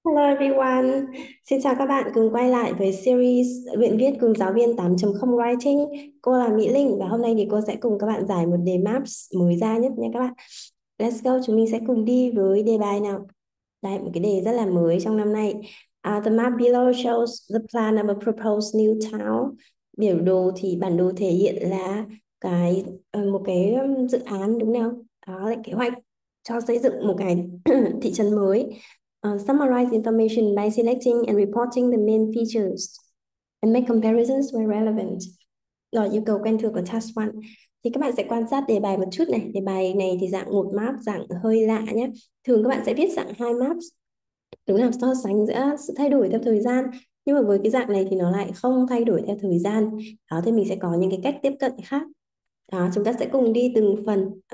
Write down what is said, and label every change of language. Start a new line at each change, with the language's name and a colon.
English: Hello everyone,
Vietnamese: xin chào các bạn cùng quay lại với series Luyện viết cùng giáo viên 8.0 Writing. Cô là Mỹ Linh và hôm nay thì cô sẽ cùng các bạn giải một đề maps mới ra nhất nha các bạn.
English: Let's go,
Vietnamese: chúng mình sẽ cùng đi với đề bài nào. Đây, một cái đề rất là mới trong năm nay.
English: The map below shows the plan of a proposed new town.
Vietnamese: Biểu đồ thì bản đồ thể hiện là cái một cái dự án đúng không? Đó là kế hoạch cho xây dựng một cái thị trấn mới.
English: Summarize information by selecting and reporting the main features and make comparisons where relevant.
Vietnamese: Rồi, yêu cầu quen thuộc của task 1. Thì các bạn sẽ quan sát đề bài một chút này. Đề bài này thì dạng một map, dạng hơi lạ nhé. Thường các bạn sẽ viết dạng hai maps. Đúng là so sánh giữa sự thay đổi theo thời gian. Nhưng mà với cái dạng này thì nó lại không thay đổi theo thời gian. Đó, thì mình sẽ có những cái cách tiếp cận khác. Đó, chúng ta sẽ cùng đi từng phần.